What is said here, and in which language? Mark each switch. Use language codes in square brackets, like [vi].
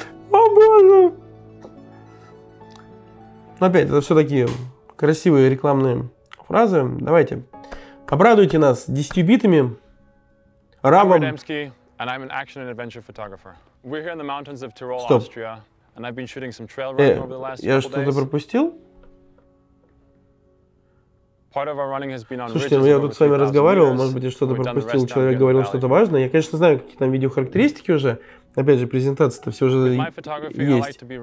[ru] О боже! Опять, это все такие красивые рекламные фразы. Давайте, обрадуйте нас 10 битами, рамом. [en] And I'm an action and adventure photographer. We're here in the mountains of Tyrol, Stop. Austria, and I've been shooting some trail running over the last couple days. [ru] Я что-то пропустил? [en] Part of our running has been on ridges. [ru] Слушайте, ну я тут с вами разговаривал, может быть, я что-то пропустил. Человек говорил что-то важное. Я, конечно, знаю, какие там видео характеристики уже. Опять же, презентация-то все уже есть.